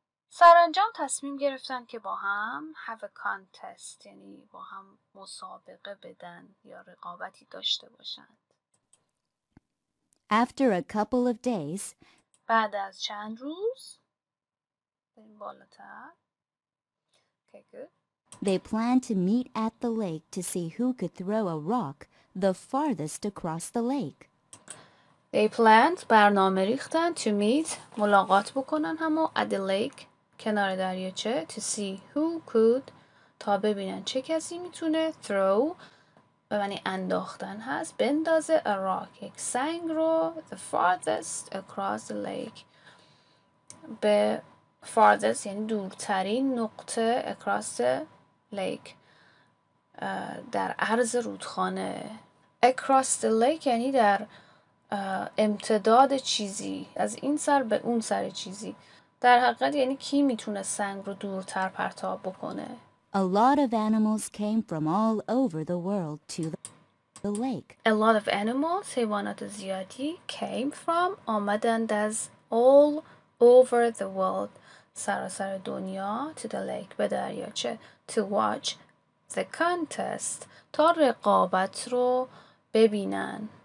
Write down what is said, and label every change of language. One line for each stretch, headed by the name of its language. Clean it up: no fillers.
Persian: سرانجام تصمیم گرفتن که با هم
English: have a contest.
Persian: یعنی با هم مسابقه بدن یا رقابتی داشته باشند.
English: After a couple of days,
Persian: بعد از چند روز بریم بالاتر.
English: Okay, good. They planned to meet at the lake to see who could throw a rock the farthest across the lake. They planned
Persian: برنامه ریختن
English: to meet
Persian: ملاقات بکنن همو
English: at the lake
Persian: کنار دریاچه
English: to see who could
Persian: تا ببینن چه کسی میتونه
English: throw
Persian: به معنی انداختن هست. بندازه
English: a rock.
Persian: یک سنگ رو
English: the farthest across the lake.
Persian: به farthest یعنی دورترین نقطه
English: across the lake.
Persian: در عرض رودخانه. Across the lake یعنی در امتداد چیزی. از این سر به اون سر چیزی. در حقیقت یعنی کی میتونه سنگ رو دورتر پرتاب بکنه؟
English: A lot of animals came from all over the world to the lake. A lot of animals,
Persian: حیوانات زیادی,
English: came from,
Persian: آمدند از
English: all over the world,
Persian: سراسر دنیا,
English: to the lake,
Persian: به دریاچه,
English: to watch the contest,
Persian: تا رقابت رو ببینن.